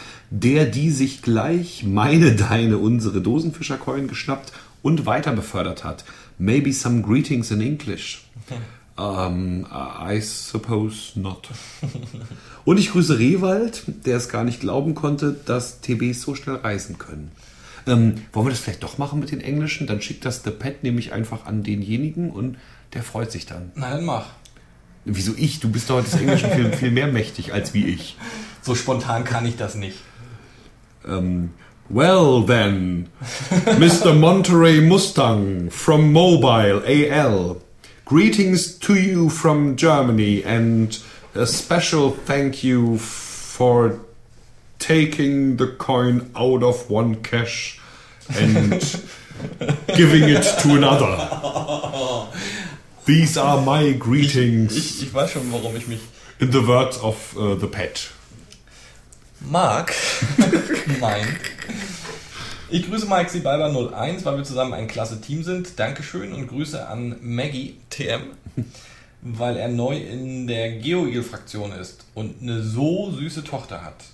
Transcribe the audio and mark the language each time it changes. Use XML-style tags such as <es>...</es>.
<de>Der sich gleich meine, deine, unsere Dosenfischer Coin geschnappt und weiter befördert hat.</de> <en>Maybe some greetings in English. I suppose not.</en> <de>Und ich grüße Rewald, der es gar nicht glauben konnte, dass TBs so schnell reisen können. Wollen wir das vielleicht doch machen mit den Englischen? Dann schickt das The Pet nämlich einfach an denjenigen und der freut sich dann. Na, dann mach. Wieso ich? Du bist doch des Englischen viel, viel mehr mächtig als wie ich. So spontan kann ich das nicht.</de> <en>Well then, Mr. Monterey Mustang from Mobile AL. Greetings to you from Germany and a special thank you for taking the coin out of one cache and giving it to another. These are my greetings.</en> <de>Ich weiß schon, warum ich mich...</de> <en>In the words of the Pet.</en> <de>Mark, mein... Ich grüße Mike Sibalba 01, weil wir zusammen ein klasse Team sind. Dankeschön und Grüße an Maggie TM, weil er neu in der GeoEagle-Fraktion ist und eine so süße Tochter hat.</de>